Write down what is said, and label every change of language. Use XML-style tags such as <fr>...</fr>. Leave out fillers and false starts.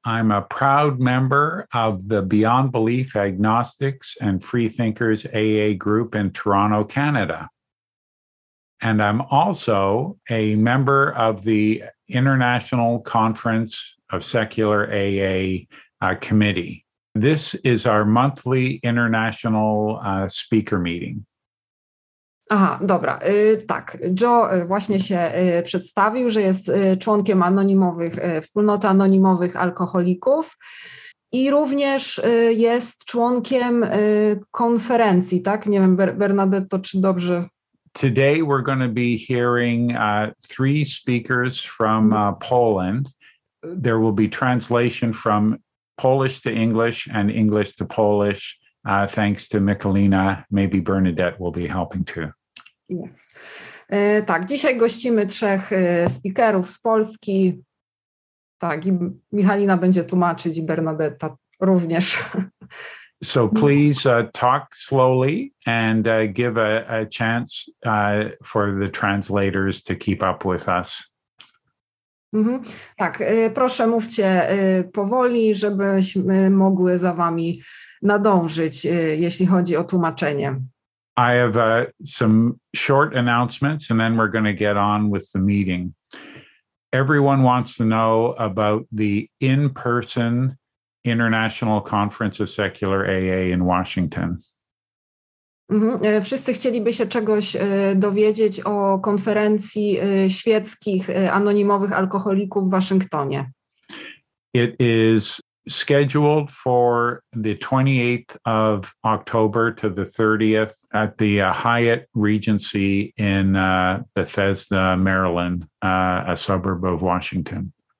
<en>I'm a proud member of the Beyond Belief Agnostics and Freethinkers AA group in Toronto, Canada. And I'm also a member of the International Conference of Secular AA Committee. This is our monthly international speaker meeting.</en> <pl>Aha, dobra. Tak, Joe właśnie się przedstawił, że jest członkiem anonimowych, wspólnoty anonimowych alkoholików i również jest członkiem konferencji, tak? Nie wiem, Bernadetto, czy dobrze?</pl> <en>Today we're going to be hearing three speakers from Poland. There will be translation from Polish to English and English to Polish, thanks to Michalina. Maybe Bernadette will be helping too. Yes.</en> <pl>Tak, dzisiaj gościmy trzech speakerów z Polski. Tak, i Michalina będzie tłumaczyć i Bernadetta również.</pl> <en>So please talk slowly and give a chance for the translators to keep up with us. Mm-hmm.</en> <pl>Tak, proszę mówcie powoli, żebyśmy mogły za wami nadążyć, jeśli chodzi o tłumaczenie.</pl> <en>I have some short announcements and then we're going to get on with the meeting. Everyone wants to know about the in-person International Conference of Secular AA in Washington. Mm-hmm.</en> <pl>Wszyscy chcieliby się czegoś dowiedzieć o konferencji świeckich anonimowych alkoholików w Waszyngtonie.</pl> <en>It is scheduled for the 28th of October to the 30th at the Hyatt Regency in Bethesda, Maryland, a suburb of Washington.</en>